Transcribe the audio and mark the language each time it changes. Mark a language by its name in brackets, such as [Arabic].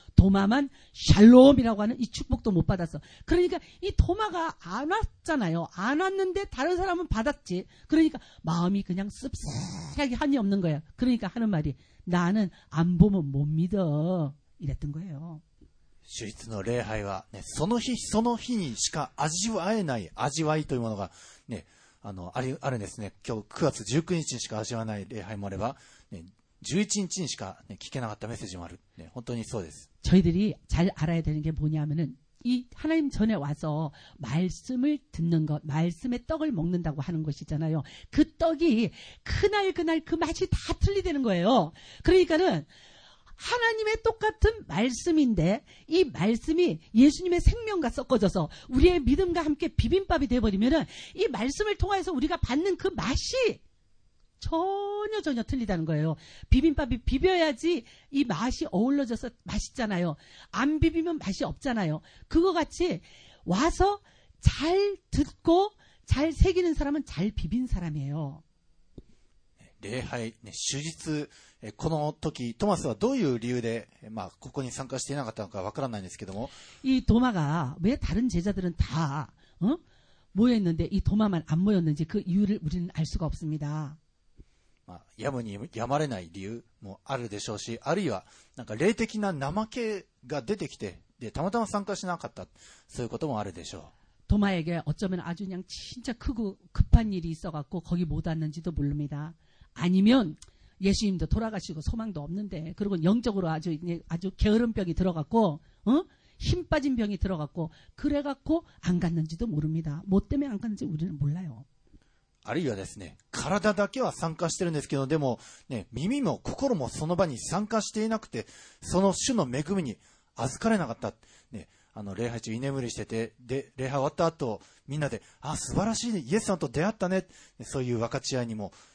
[Korean] 도마만 샬롬이라고 하는 이 축복도 못 받았어. 그러니까 이 도마가 안 왔잖아요. 안 왔는데 다른 사람은 받았지. 그러니까 마음이 그냥 씁쓸하게 한이 없는 거야. 그러니까 하는 말이 나는 안 보면 못 믿어. 이랬던 거예요. 주일의 예배는 [Japanese] その日 その日にしか味わえない 味わいというものが 네, あるんですね. 今日9月19日にしか味わえない礼拝もあれば 11日にしか聞けなかったメッセージもある。本当にそうです。 [Korean] 저희들이 잘 알아야 되는 게 뭐냐면은 이 하나님 전에 와서 말씀을 듣는 것, 말씀의 떡을 먹는다고 하는 것이잖아요. 그 떡이 그날 그 맛이 다 틀리되는 거예요. 그러니까는 하나님의 똑같은 말씀인데 이 말씀이 예수님의 생명과 섞어져서 우리의 믿음과 함께 비빔밥이 되어버리면은 이 말씀을 통해서 우리가 받는 그 맛이 전혀 틀리다는 거예요. 비빔밥이 비벼야지 이 맛이 어우러져서 맛있잖아요. 안 비비면 맛이 없잖아요. 그거 같이 와서 잘 듣고 잘 새기는 사람은 잘 비빈 사람이에요. [Japanese] 礼拝, 主日この時トマスはどういう理由でここに参加していなかったのかわからないんですけども이 [Korean] 도마가 왜 다른 제자들은 다 어? 모였는데 이 도마만 안 모였는지 그 이유를 우리는 알 수가 없습니다. [Japanese] やむにやまれない理由もあるでしょうし、あるいはなんか霊的な怠けが出てきて、でたまたま参加しなかった、そういうこともあるでしょう。 [Korean] 도마에게 어쩌면 아주 그냥 진짜 크고 급한 일이 있어갖고 거기 못 왔는지도 모릅니다. 아니면 예수님도 돌아가시고 소망도 없는데, 그리고 영적으로 아주 게으른 병이 들어갔고, 어? 힘 빠진 병이 들어갔고, 그래갖고 안 갔는지도 모릅니다. 뭐 때문에 안 갔는지 우리는 몰라요. [Japanese] あるいはですね、体だけは参加してるんですけど、でもね、耳も心もその場に参加していなくて、その主の恵みに預かれなかった。ね、礼拝中居眠りしてて、で、礼拝終わった後、みんなで、あ、素晴らしいね、イエスさんと出会ったね、そういう分かち合いにも